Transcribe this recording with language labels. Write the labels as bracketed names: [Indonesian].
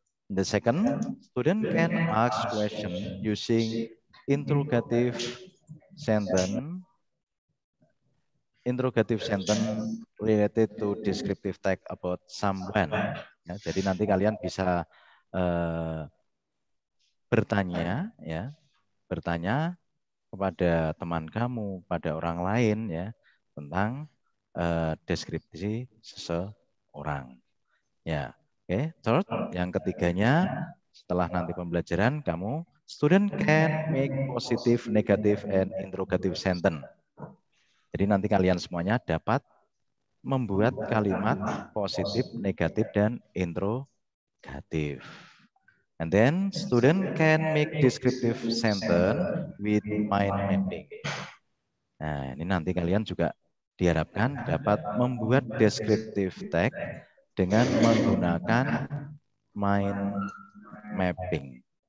[English] The second, student can ask question using interrogative sentence. Interrogative sentence related to descriptive text about someone. [Indonesian] Ya, jadi nanti kalian bisa bertanya, ya, bertanya kepada teman kamu, pada orang lain, ya, tentang deskripsi seseorang. Ya, oke. Okay. [English] Third, [Indonesian] yang ketiganya, setelah nanti pembelajaran, kamu [English] student can make positive, negative, and interrogative sentence. [Indonesian] Jadi nanti kalian semuanya dapat membuat kalimat positif, negatif, dan interrogatif. [English] And then student can make descriptive sentence with mind mapping. [Indonesian] Nah, ini nanti kalian juga diharapkan dapat membuat descriptive tag dengan menggunakan mind mapping.